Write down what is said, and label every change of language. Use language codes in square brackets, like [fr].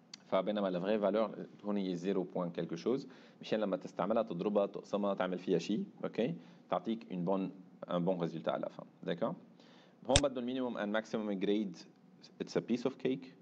[ar] Fa بينما [fr] la vraie valeur [ar] هون هي 0. [fr] quelque chose, [ar] مشان لما تستعملها تضربها تقسمها تعمل فيها شيء, OK? تعطيك [fr] une bonne un bon résultat à la fin. D'accord? [en] Bon, but the minimum and maximum grade, it's a piece of cake.